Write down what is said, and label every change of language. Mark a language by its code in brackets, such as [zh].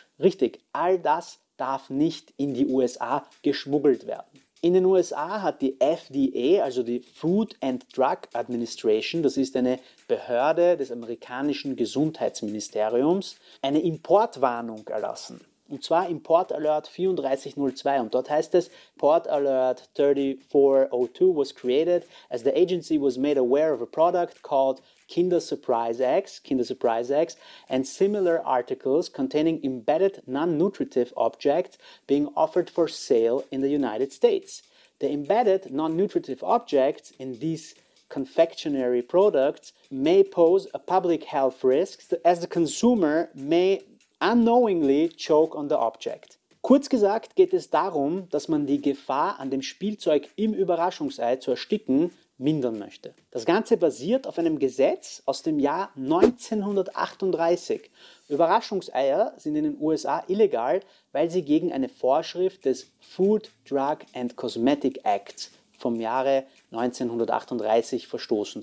[de] Richtig, all das darf nicht in die USA geschmuggelt werden. In den USA hat die FDA, also die Food and Drug Administration, das ist eine Behörde des amerikanischen Gesundheitsministeriums, eine Importwarnung erlassen. Und zwar Import Alert 3402 und dort heißt es: [en] Import Alert 3402 was created as the agency was made aware of a product called Kinder Surprise Eggs and similar articles containing embedded non-nutritive objects being offered for sale in the United States. The embedded non-nutritive objects in these confectionery products may pose a public health risk as the consumer may unknowingly choke on the object. [de] Kurz gesagt geht es darum, dass man die Gefahr an dem Spielzeug im Überraschungsei zu ersticken mindern möchte. Das Ganze basiert auf einem Gesetz aus dem Jahr 1938. Überraschungseier sind in den USA illegal, weil sie gegen eine Vorschrift des Food, Drug and Cosmetic Acts vom Jahre 1938 verstoßen.